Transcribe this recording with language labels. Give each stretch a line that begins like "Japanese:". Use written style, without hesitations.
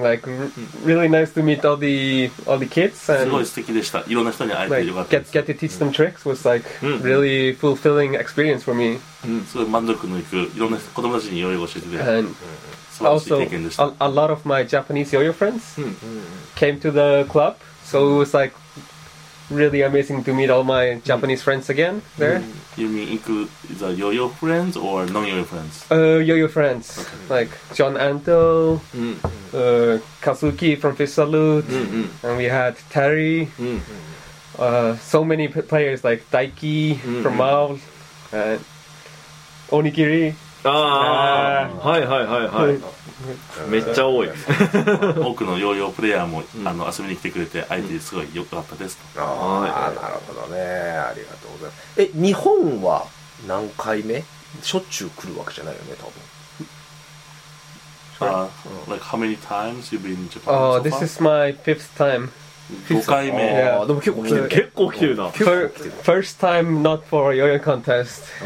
English: Like, really nice to meet all the kids.
Japanese: And, すごい素敵でした。いろんな人に会えてよかったです。
English: Like, get to teach them tricks was like really fulfilling experience for me.
Japanese: すごい満足のいく、いろんな子供たちにヨーヨー教えてくれて、素晴らしい経験でした。
English: Also, a lot of my Japanese yo-yo friends came to the club. So it was like really amazing to meet all my Japanese friends again there. You mean include the yo-yo friends or non-yo-yo friends? Yo-yo friends. Okay. Like John Anto, Kazuki from Fish Salute, and we had Terry, so many players like Daiki from Mao, and Onigiri.
Japanese: はいはいはいはい。めっちゃ多い。多くのヨーヨープレイヤーも遊びに来てくれて、相手すごい良かったです。ああ、なるほどね。ありがとうございます。え、日本は何回目？しょっちゅう来るわけじゃないよね、多分。
English: Like how many times you've been in Japan? Oh, this is my fifth time.
Japanese: 5回目。でも結構来てる。結構来てるな。
English: First time not for a yo-yo contest.